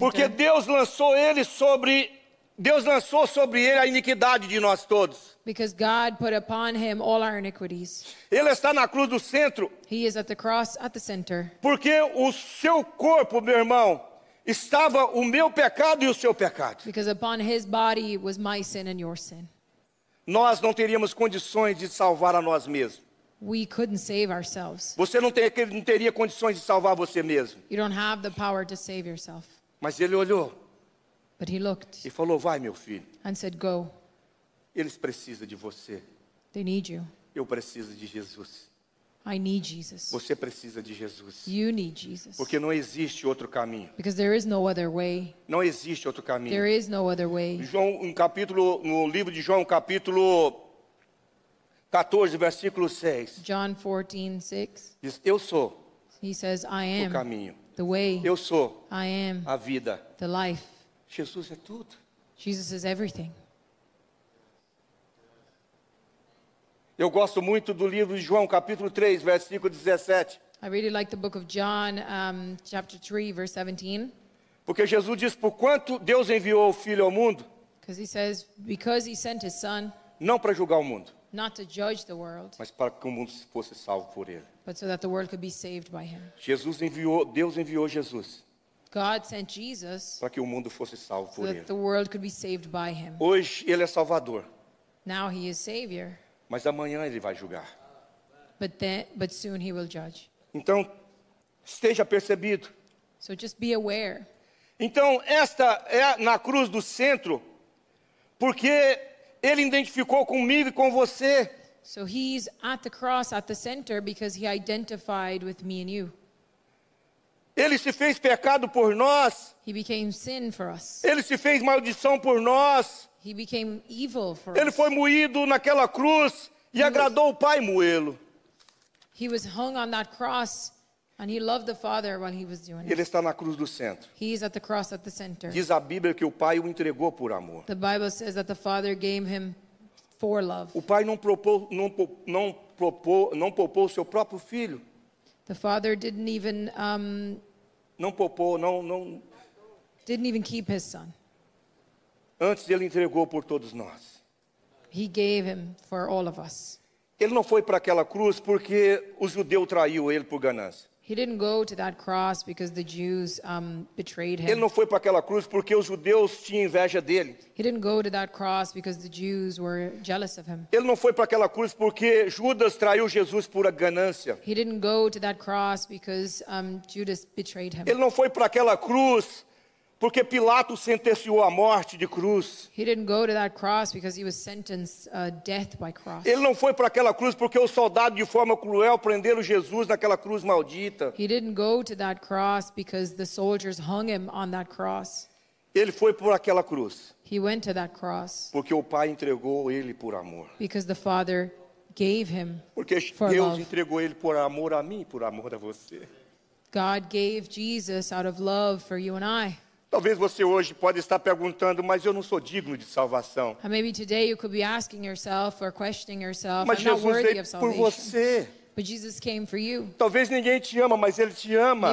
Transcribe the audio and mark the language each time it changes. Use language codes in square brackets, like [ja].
[pt] Porque Deus lançou ele sobre Deus lançou sobre ele a iniquidade de nós todos. [en] Because God put upon him all our iniquities. [pt] Ele está na cruz do centro. [en] He is at the cross at the center. [pt] Porque o seu corpo, meu irmão, estava o meu pecado e o seu pecado. [en] Because upon his body was my sin and your sin. [pt] Nós não teríamos condições de salvar a nós mesmos. [en] We couldn't save ourselves. [pt] Você não teria condições de salvar você mesmo. [en] You don't have the power to save yourself. [pt] Mas ele olhou. [en] But he looked. [pt] E falou, vai, meu filho. [en] And said, go. [pt] Eles precisam de você. [en] They need you. [pt] Eu preciso de Jesus. [en] I need Jesus. [pt] Você precisa de Jesus. [en] You need Jesus. [pt] Porque não existe outro caminho. [en] Because there is no other way. [pt] Não existe outro caminho. [en] There is no other way. [pt] João, um capítulo, no livro de João, capítulo 14, versículo 6. [en] John 14, 6. [pt] Diz, eu sou. [en] He says, I am. [pt] O caminho. [en] The way. [pt] Eu sou. [en] I am. [pt] A vida. [en] The life. [pt] Jesus é tudo. [en] Jesus is everything. [pt] Eu gosto muito do livro de João, capítulo 3, versículo 17. [en] I really like the book of John, chapter 3, verse 17. [pt] Porque Jesus diz, porquanto Deus enviou o Filho ao mundo. [en] Because he says, because he sent his son. [pt] Não para julgar o mundo. [en] Not to judge the world. [pt] Mas para que o mundo fosse salvo por ele. [en] But so that the world could be saved by him. [pt] Jesus enviou, Deus enviou Jesus. [en] God sent Jesus. [pt] Para que o mundo fosse salvo por ele. [en] So that the world could be saved by him. [pt] Hoje ele é salvador. [en] Now he is savior. [pt] Mas amanhã ele vai julgar. [en] But then, but soon he will judge. [pt] Então, esteja percebido. [en] So just be aware. [pt] Então, esta é na cruz do centro, porque ele identificou comigo e com você. [en] So he's at the cross at the center because he identified with me and you. [pt] Ele se fez pecado por nós. [en] He became sin for us. [pt] Ele se fez maldição por nós. [en] He became evil for [pt] ele [en] us. [pt] Foi moído naquela cruz e agradou o Pai moê-lo. [en] He was hung on that cross and he loved the Father while he was doing [pt] ele [en] it. [pt] Ele está na cruz do centro. [en] He is at the cross at the center. [pt] Diz a Bíblia que o Pai o entregou por amor. [en] The Bible says that the Father gave him for love. [pt] O Pai não poupou o seu próprio filho. [en] The Father didn't even [pt] não poupou, não [en] didn't even keep his son. [pt] antes ele entregou por todos nós. [en] He gave him for all of us. [pt] Ele não foi para aquela cruz porque o judeu traiu ele por ganância. [en] He didn't go to that cross because the Jews betrayed him. [pt] Ele não foi para aquela cruz porque os judeus tinham inveja dele. [en] He didn't go to that cross because the Jews were jealous of him. [pt] Ele não foi para aquela cruz porque Judas traiu Jesus por ganância. [en] He didn't go to that cross because Judas betrayed him. [pt] Ele não foi para aquela cruz porque Pilatos sentenciou a morte de cruz. [en] He didn't go to that cross because he was sentenced death by cross. [pt] Ele não foi para aquela cruz porque os soldados de forma cruel prenderam Jesus naquela cruz maldita. [en] He didn't go to that cross because the soldiers hung him on that cross. [pt] Ele foi por aquela cruz. [en] He went to that cross. [pt] Porque o Pai entregou ele por amor. [en] Because the Father gave him [pt] porque [en] for [pt] Deus [en] love. [pt] Entregou ele por amor a mim, por amor a você. [en] God gave Jesus out of love for you and I. [pt] Talvez você hoje pode estar perguntando, mas eu não sou digno de salvação. [en] Maybe today you could be asking yourself or questioning yourself, [pt] mas [en] I'm not worthy of salvation. [pt] Mas Jesus veio por você. [en] But Jesus came for you. [pt] Talvez ninguém te ama, mas ele te ama.